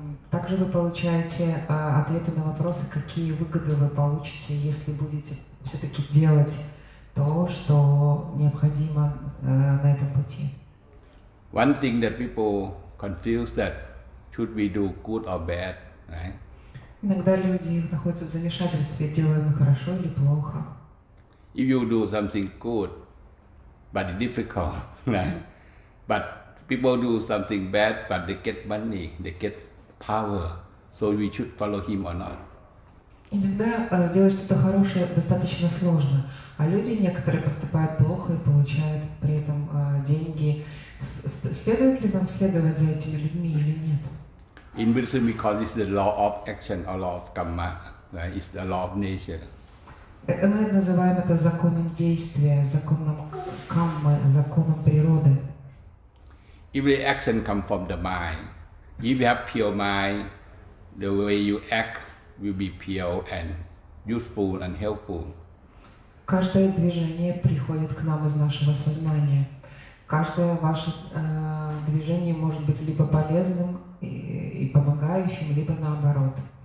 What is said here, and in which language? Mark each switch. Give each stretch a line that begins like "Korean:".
Russian: Также вы получаете ответы на вопросы, какие выгоды вы получите, если будете все-таки делать то, что необходимо на этом пути.
English: One thing that people confuse that should we do good or bad, right?
Russian: Иногда люди находятся в замешательстве, делаем мы хорошо или плохо.
English: If you do something good, but it's difficult, right? But people do something bad, but they get money, they get power. So we should follow him or not?
Russian: Иногда делать что-то хорошее достаточно сложно, а люди некоторые поступают плохо и получают при этом деньги. Следует ли нам следовать за этими людьми или нет?
English: In Buddhism, we call this the law of action or law of karma. Right? It's the law of nature.
Russian: Мы называем это законом действия, законом кармы, законом природы.
English: If the action comes from the mind, if you have pure mind, the way you act will be pure and useful and helpful.
Russian: Каждое движение приходит к нам из нашего сознания. Каждое ваше движение может быть либо полезным и помогающим, либо наоборот.